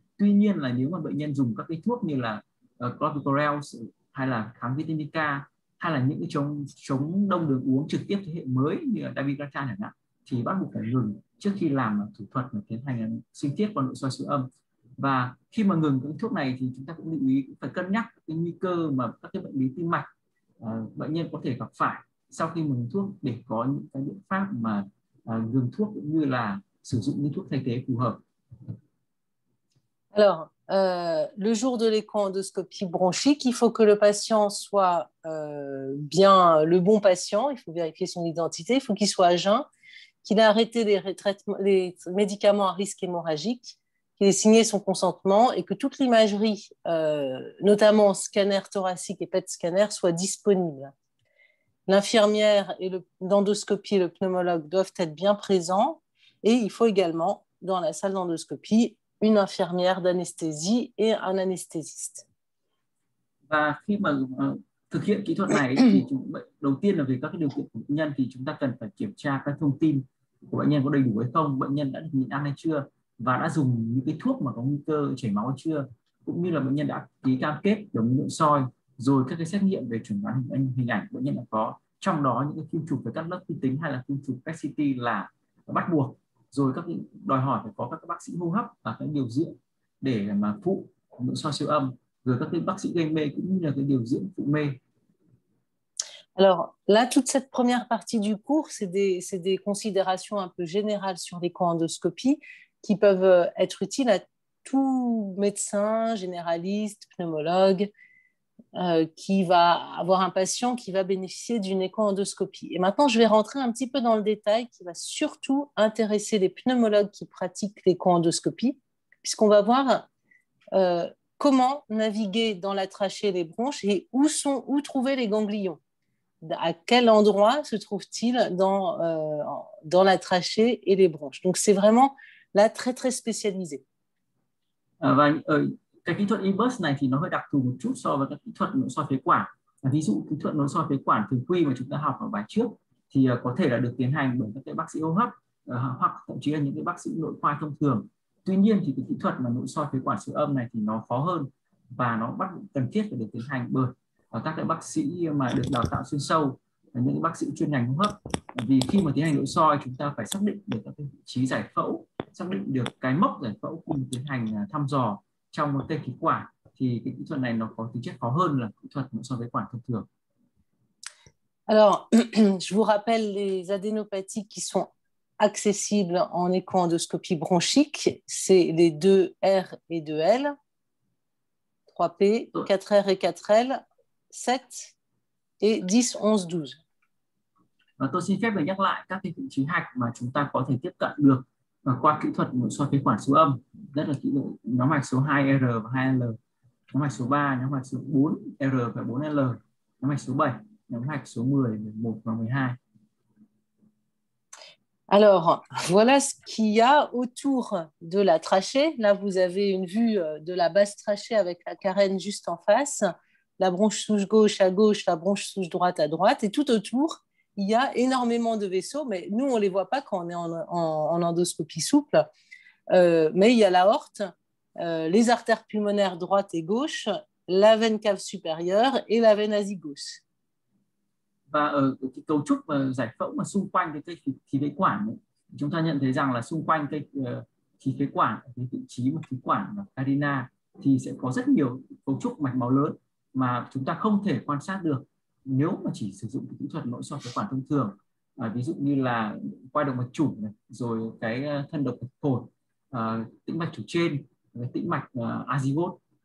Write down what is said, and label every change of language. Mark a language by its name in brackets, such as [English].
[Vietnamese] Tuy nhiên là nếu mà bệnh nhân dùng các cái thuốc như là clopidogrel hay là kháng vitamin K hay là những cái chống đông đường uống trực tiếp thế hệ mới như là dabigatran chẳng hạn thì bắt buộc phải ngừng trước khi làm thủ thuật và tiến hành sinh thiết qua nội soi siêu âm. Và khi mà ngừng những thuốc này thì chúng ta cũng lưu ý phải cân nhắc cái nguy cơ mà các cái bệnh lý tim mạch bệnh nhân có thể gặp phải sau khi ngừng thuốc để có những cái biện pháp mà dùng thuốc cũng như là sử dụng những thuốc thay thế phù hợp. [French] Alors, le jour de l'échoendoscopie bronchique, il faut que le patient soit bien le bon patient, il faut vérifier son identité, il faut qu'il soit à jeun, qu'il a arrêté les médicaments à risque hémorragique, qu'il ait signé son consentement et que toute l'imagerie, notamment scanner thoracique et PET scanner, soit disponible. L'infirmière et l'endoscopie et le pneumologue doivent être bien présents et il faut également, dans la salle d'endoscopie, une infirmière d'anesthésie et un anesthésiste. [Vietnamese] Và khi mà thực hiện kỹ thuật này thì đầu tiên là về các cái điều kiện của bệnh nhân thì chúng ta cần phải kiểm tra các thông tin của bệnh nhân có đầy đủ hay không, bệnh nhân đã được nhịn ăn hay chưa và đã dùng những cái thuốc mà có nguy cơ chảy máu hay chưa, cũng như là bệnh nhân đã ký cam kết đồng nội soi. Rồi các cái xét nghiệm về chuẩn đoán hình ảnh bệnh nhân là có, trong đó những cái phim chụp về các lớp vi tính hay là phim chụp PET-CT là bắt buộc. Rồi các đòi hỏi phải có các bác sĩ hô hấp và các điều dưỡng để mà phụ nội soi siêu âm, rồi các cái bác sĩ gây mê cũng như là cái điều dưỡng phụ mê. [French] Alors là toute cette première partie du cours c'est des considérations un peu générales sur l'échoendoscopie qui peuvent être utiles à tout médecin généraliste, pneumologue qui va avoir un patient qui va bénéficier d'une échoendoscopie. Et maintenant, je vais rentrer un petit peu dans le détail qui va surtout intéresser les pneumologues qui pratiquent l'échoendoscopie, puisqu'on va voir comment naviguer dans la trachée et les bronches et où trouver les ganglions. À quel endroit se trouvent-ils dans la trachée et les bronches. Donc, c'est vraiment là très, très spécialisé. [Vietnamese] Cái kỹ thuật IMUS này thì nó hơi đặc thù một chút so với các kỹ thuật nội soi phế quản. Ví dụ kỹ thuật nội soi phế quản thường quy mà chúng ta học ở bài trước thì có thể là được tiến hành bởi các cái bác sĩ hô hấp hoặc thậm chí là những cái bác sĩ nội khoa thông thường. Tuy nhiên thì cái kỹ thuật mà nội soi phế quản siêu âm này thì nó khó hơn và nó bắt cần thiết phải được tiến hành bởi các cái bác sĩ mà được đào tạo chuyên sâu, những cái bác sĩ chuyên ngành hô hấp. Vì khi mà tiến hành nội soi chúng ta phải xác định được các cái vị trí giải phẫu, xác định được cái mốc giải phẫu cùng tiến hành thăm dò trong một tê khí quản, thì cái kỹ thuật này nó có tính chất khó hơn là kỹ thuật nội soi phế quản thông thường. [French] Alors, je vous rappelle les adénopathies qui sont accessible en écho-endoscopie bronchique, c'est les 2R et 2L, 3P, 4R et 4L, 7 et 10, 11, 12. [Vietnamese] Và tôi xin phép được nhắc lại các cái vị trí hạch mà chúng ta có thể tiếp cận được qua kỹ thuật nội soi phế quản siêu âm, rất là kỹ thuật nhóm mạch số 2R và 2L, nhóm mạch số 3, nhóm mạch số 4R và 4L, nhóm mạch số 7, nhóm mạch số 10, 11 và 12. [French] Alors, voilà ce qu'il y a autour de la trachée. Là, vous avez une vue de la basse trachée avec la carène juste en face, la bronche souche gauche à gauche, la bronche souche droite à droite, et tout autour, il y a énormément de vaisseaux, mais nous, on ne les voit pas quand on est en endoscopie souple. Mais il y a l'aorte, les artères pulmonaires droite et gauche, la veine cave supérieure et la veine azygos. [Vietnamese] Và ở cái cấu trúc giải phẫu mà xung quanh cái cây khí phế quản ấy, chúng ta nhận thấy rằng là xung quanh cây khí phế quản ở cái vị trí mà khí quản và carina thì sẽ có rất nhiều cấu trúc mạch máu lớn mà chúng ta không thể quan sát được nếu mà chỉ sử dụng kỹ thuật nội soi phế quản thông thường, ví dụ như là quai động mạch chủ này, rồi cái thân độc mạch phổi, tĩnh mạch chủ trên, cái tĩnh mạch azygos.